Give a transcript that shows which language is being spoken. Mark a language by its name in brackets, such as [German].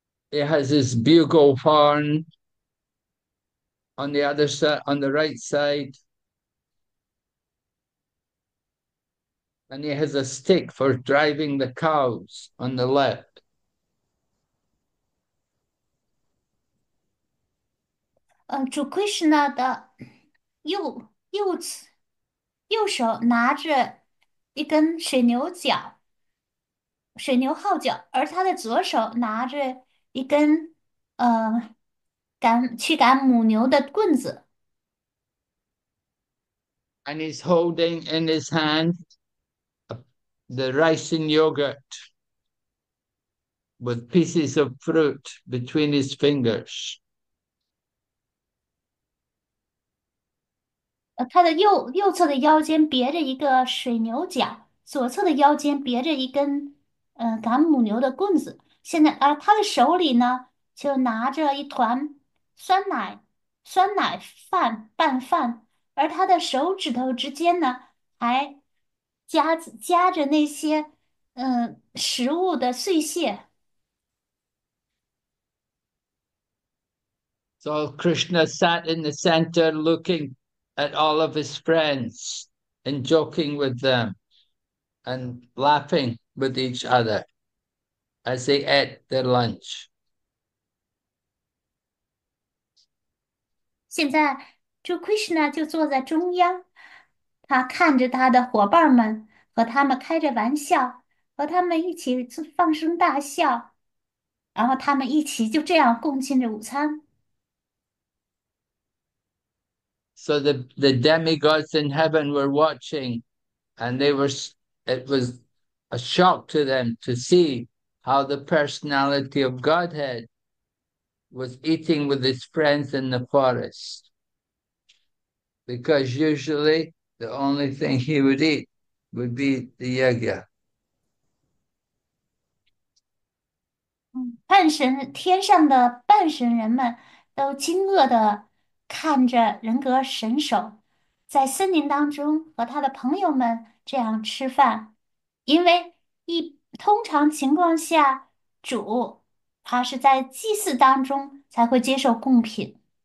[English] He has his bugle horn on the other side, on the right side, and he has a stick for driving the cows on the left. [Chinese] 主 Krishna 的右手拿着一根水牛号角，而他的左手拿着一根驱赶母牛的棍子。 [English] And he's holding in his hand the rice and yogurt with pieces of fruit between his fingers. [Chinese] 他的右侧的腰间别着一个水牛角，左侧的腰间别着一根赶母牛的棍子。现在啊，他的手里呢就拿着一团酸奶饭拌饭，而他的手指头之间呢还夹着那些食物的碎屑。 [English] So Krishna sat in the center looking at all of his friends and joking with them and laughing with each other as they ate their lunch. [Chinese] 现在，这 Krishna 就坐在中央，他看着他的伙伴们，和他们开着玩笑，和他们一起放声大笑，然后他们一起就这样共进着午餐。 [English] So the demigods in heaven were watching, and it was a shock to them to see how the personality of Godhead was eating with his friends in the forest. Because usually the only thing he would eat would be the yajna. [Chinese] 天上的半神人们都惊愕地看着人格神手在森林当中和他的朋友们这样吃饭，因为通常情况下，主他是在祭祀当中才会接受贡品。